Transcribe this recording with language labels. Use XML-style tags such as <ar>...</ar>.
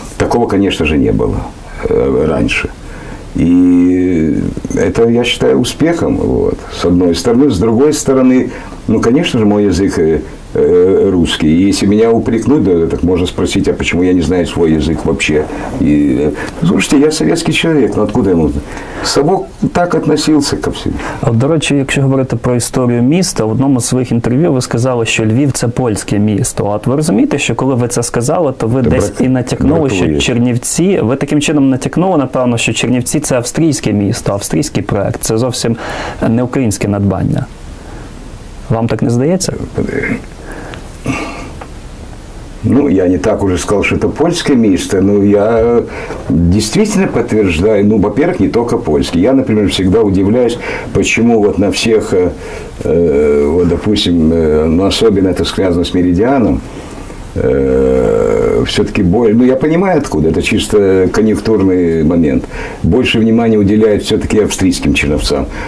<ru>Такого, конечно же, не было раньше. И это, я считаю, успехом, вот, с одной стороны. С другой стороны, конечно же, мой язык русский. И если меня упрекнут, так можно спросить, а почему я не знаю свой язык вообще? И, слушайте, я советский человек, откуда ему? Собок так относился ко всему.</ru> <uk>А, до речі, якщо говорити про історію міста, в одному з своїх інтерв'ю ви сказали, що Львів – це польське місто. От ви розумієте, що коли ви це сказали, то ви десь і натякнули, що Чернівці... Ви таким чином натякнули, напевно, що Чернівці – це австрійське місто, австрійський проект. Це зовсім не українське надбання. Вам так не здається?</uk> <ru>Я не так уже сказал, что это польское место, но я действительно подтверждаю, во-первых, не только польский. Я, например, всегда удивляюсь, почему вот на всех, особенно это связано с меридианом, все-таки больше, я понимаю откуда, это чисто конъюнктурный момент, больше внимания уделяют все-таки австрийским черновцам.</ru>